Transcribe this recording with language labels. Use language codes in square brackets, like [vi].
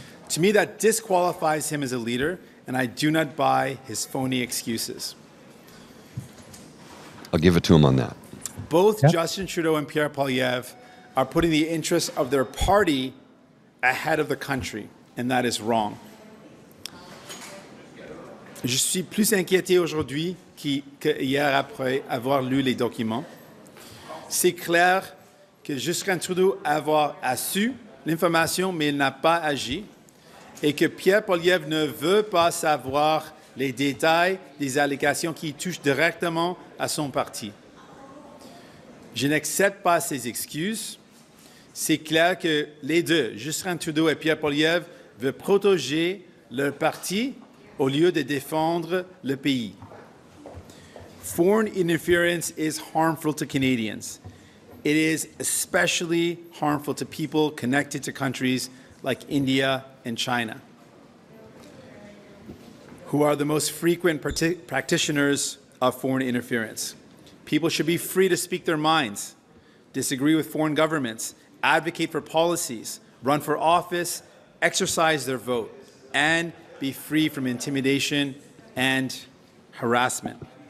[en] To me, that disqualifies him as a leader, and I do not buy his phony excuses. I'll give it to him on that. Both Justin Trudeau and Pierre Poilievre are putting the interests of their party ahead of the country, and that is wrong. [fr] Je suis plus inquiété aujourd'hui qu'hier après avoir lu les documents. C'est clair que Justin Trudeau a su l'information, mais il n'a pas agi, et que Pierre Poilievre ne veut pas savoir les détails des allégations qui touchent directement à son parti. Je n'accepte pas ces excuses. C'est clair que les deux, Justin Trudeau et Pierre Poilievre, veulent protéger leur parti au lieu de défendre le pays. [en] Foreign interference is harmful to Canadians. It is especially harmful to people connected to countries like India and China, who are the most frequent practitioners of foreign interference. People should be free to speak their minds, disagree with foreign governments, advocate for policies, run for office, exercise their vote, and be free from intimidation and harassment.